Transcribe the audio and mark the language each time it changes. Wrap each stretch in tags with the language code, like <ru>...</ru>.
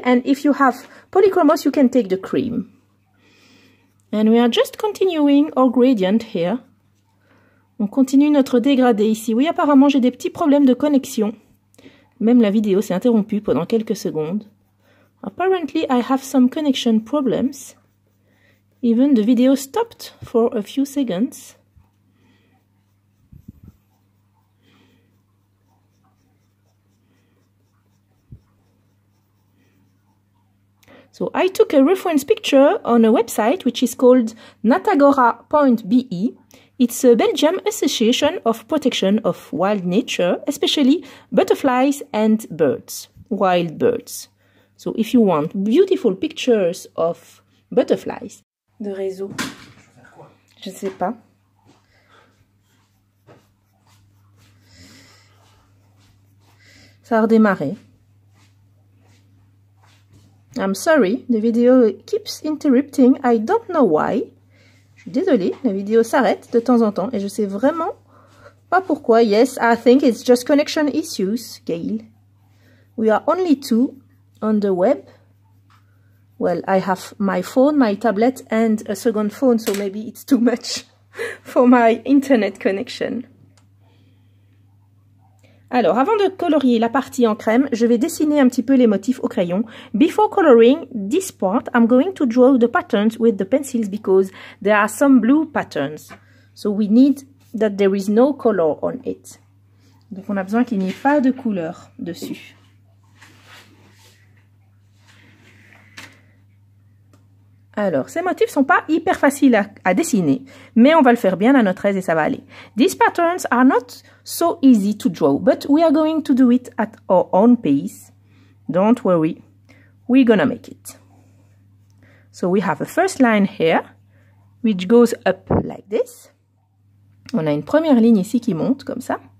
<en>And if you have polychromos, you can take the cream. And we are just continuing our gradient here.</en> <fr>On continue notre dégradé ici. Oui, apparemment, j'ai des petits problèmes de connexion. Même la vidéo s'est interrompue pendant quelques secondes.</fr> <en>Apparently, I have some connection problems. Even the video stopped for a few seconds. So I took a reference picture on a website which is called natagora.be. It's a Belgian association of protection of wild nature, especially butterflies and birds, wild birds. So if you want beautiful pictures of butterflies,</en> <fr>de réseau. Je sais pas. Ça a redémarré.</fr> <en>I'm sorry, the video keeps interrupting. I don't know why.</en> <fr>Je suis désolée, la vidéo s'arrête de temps en temps et je sais vraiment pas pourquoi.</fr> <en>Yes, I think it's just connection issues, Gail. We are only two on the web. Well, I have my phone, my tablet, and a second phone, so maybe it's too much for my internet connection.</en> <fr>Alors, avant de colorier la partie en crème, je vais dessiner un petit peu les motifs au crayon.</fr> <en>Before coloring this part, I'm going to draw the patterns with the pencils because there are some blue patterns. So we need that there is no color on it.</en> <fr>Donc on a besoin qu'il n'y ait pas de couleur dessus. Alors, ces motifs ne sont pas hyper faciles à dessiner, mais on va le faire bien à notre aise et ça va aller.</fr> <en>These patterns are not so easy to draw, but we are going to do it at our own pace. Don't worry, we're gonna make it. So we have a first line here, which goes up like this.</en> <fr>On a une première ligne ici qui monte comme ça.</fr>